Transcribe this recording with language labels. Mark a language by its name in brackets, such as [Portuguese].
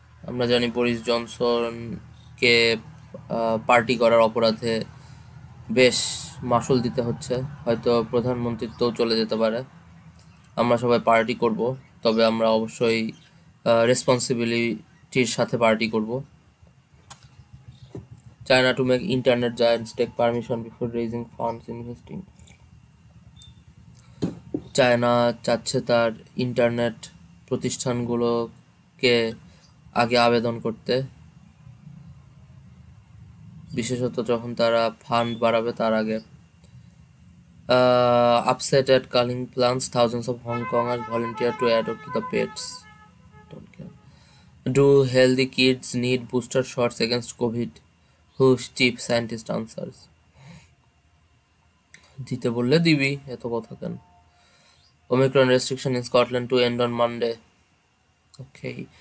[Bangla] আমরা জানি Boris জনসনকে party করার অপরাধে বেশ মাশুল দিতে হচ্ছে, হয়তো প্রধানমন্ত্রীত্বও চলে যেতে পারে। আমরা সবাই পার্টি করব, তবে আমরা অবশ্যই রেসপন্সিবিলিটির সাথে পার্টি করব। [English] China to make internet giants take permission before raising funds investing. [Bangla] China চাচ্ছে তার ইন্টারনেট প্রতিষ্ঠানগুলোকে আগে আবেদন করতে, বিশেষত যখন তারা ফান্ড বাড়াবে তার আগে। [English] Upset at culling plants, thousands of Hong Kongers volunteer to adopt the pets. Don't care. Do healthy kids need booster shots against COVID? Who's chief scientist answers? [Bangla] দিতে বললে দিবি, এত কথা কেন? [English] Omicron restriction in Scotland to end on Monday. Okay.